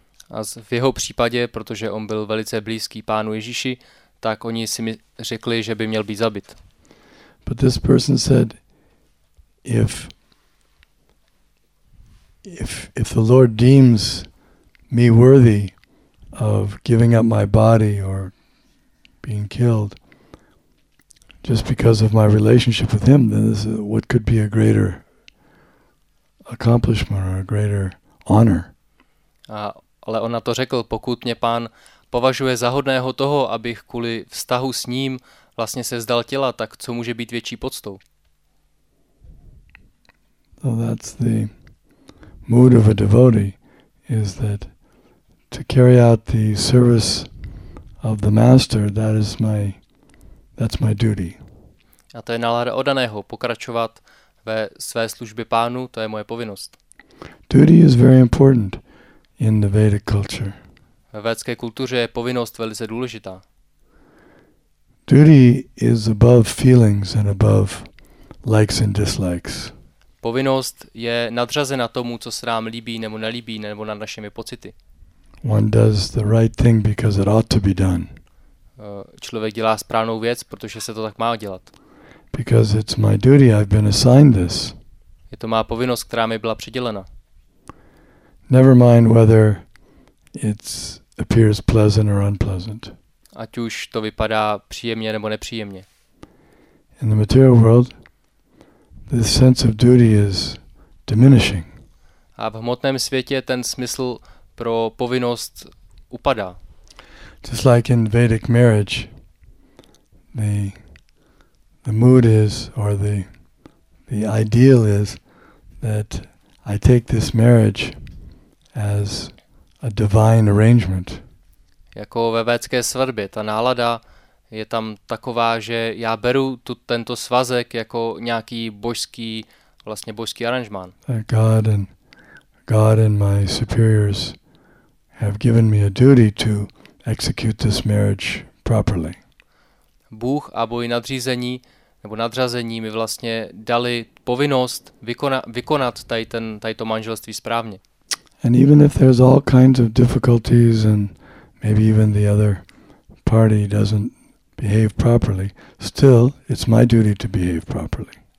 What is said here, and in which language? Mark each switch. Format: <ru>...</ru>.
<cs>A v jeho případě, protože on byl velice blízký pánu Ježíši, tak oni si mi řekli, že by měl být zabit.</cs> <en>But this person said, if the Lord deems me worthy of giving up my body or being killed just because of my relationship with him, then this is what could be a greater accomplishment or a greater honor.</en> <cs>Ale on na to řekl, pokud mě pán považuje za hodného toho, abych kvůli vztahu s ním vlastně se vzdal těla, tak co může být větší poctou?</cs> <en>So that's the mood of a devotee, is that to carry out the service of the master, that's my duty.</en> <cs>A to je nálada oddaného, pokračovat ve své službě pánu, to je moje povinnost.</cs> <en>Duty is very important. In the Vedic culture.</en> <cs>Ve védské kultuře je povinnost velice důležitá.</cs> <en>Duty is above feelings and above likes and dislikes.</en> <cs>Povinnost je nadřazena tomu, co se nám líbí nebo nelíbí, nebo nad našimi pocity.</cs> <en>One does the right thing because it ought to be done.</en> <cs>Člověk dělá správnou věc, protože se to tak má dělat.</cs> <en>Because it's my duty, I've been assigned this.</en> <cs>Je to má povinnost, která mi byla přidělena.</cs> <en>Never mind whether it appears pleasant or unpleasant.</en> <cs>Ať už to vypadá příjemně nebo nepříjemně.</cs> <en>In the material world, the sense of duty is diminishing.</en> <cs>A v hmotném světě ten smysl pro povinnost upadá.</cs> <en>Just like in Vedic marriage, the mood is, or the ideal is, that I take this marriage as a divine arrangement.</en> <cs>Jako ve védské svatbě, ta nálada je tam taková, že já beru tento svazek jako nějaký božský, vlastně božský aranžmán.</cs> <en>God and my superiors have given me a duty to execute this marriage properly.</en> <cs>Bůh a boji nadřízení nebo nadřazení mi vlastně dali povinnost vykonat tady to manželství správně.</cs> <en>And even if there's all kinds of difficulties and maybe even the other party doesn't behave properly, still it's my duty to behave properly.</en>